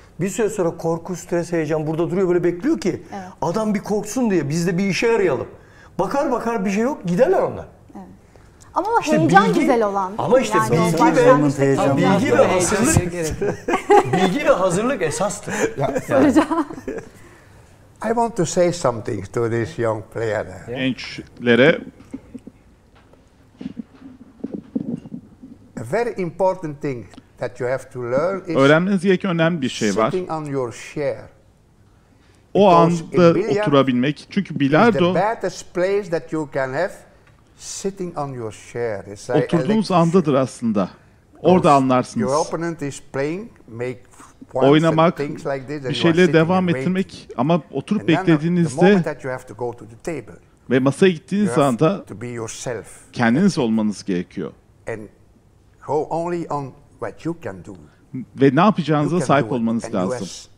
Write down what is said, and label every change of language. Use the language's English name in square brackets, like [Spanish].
[Turkish] Bir süre sonra korku, stres, heyecan burada duruyor böyle bekliyor ki evet. adam bir korksun diye biz de bir işe yarayalım. Bakar bakar bir şey yok giderler onlar. Ama i̇şte heyecan bilgi, güzel olan. Ama işte yani bilgi, ve, heyecan bilgi ve hazırlık bilgi ve hazırlık esastır. Yani. [English] I want to say something to this young player. [Turkish] Gençlere. [English] A very important thing that you have to learn is [Turkish] öğrenmeniz gereken önemli bir şey var. [English] Sitting on your chair. [Turkish] O anda oturabilmek. Çünkü bilardo [English] the best place that you can have sitting on your chair. Like [Turkish] oturduğunuz andadır aslında. Orada anlarsınız. [English] Your opponent is playing, make [Turkish] oynamak, [English] like this, [Turkish] bir şeyleri devam ettirmek ama oturup [English] and [Turkish] beklediğinizde [English] table, [Turkish] ve masaya gittiğiniz anda kendiniz olmanız gerekiyor. [English] And go only on what you can do. [Turkish] Ve ne yapacağınıza sahip olmanız lazım.